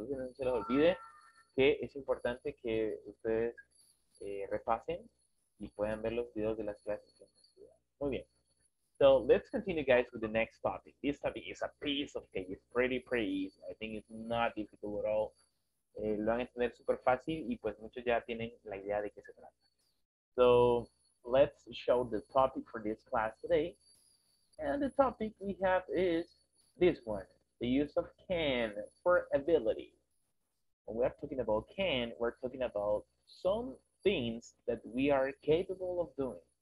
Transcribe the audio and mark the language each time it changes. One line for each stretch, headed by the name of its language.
Spanish: Entonces no se les olvide que es importante que ustedes repasen y puedan ver los videos de las clases que hemos estudiado. Muy bien.
English: So let's continue, guys, with the next topic. This topic is a piece of cake. It's pretty, pretty easy. I think it's not difficult at all.
Spanish: Lo van a entender súper fácil y pues muchos ya tienen la idea de qué se trata.
English: So let's show the topic for this class today. And the topic we have is this one, the use of can for ability. When we're talking about can, we're talking about some things that we are capable of doing.